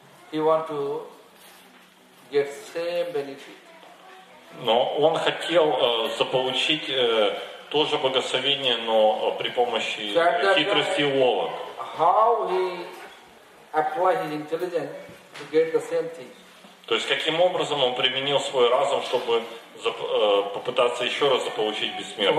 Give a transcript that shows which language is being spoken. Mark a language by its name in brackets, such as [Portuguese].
[English] He want to get same benefit. [Russian] Но он хотел заполучить тоже благословение, но при помощи хитрости и уловок. [English] How he apply his intelligence to get the same thing? [Russian] То есть каким образом он применил свой разум, чтобы попытаться еще раз заполучить бессмертие?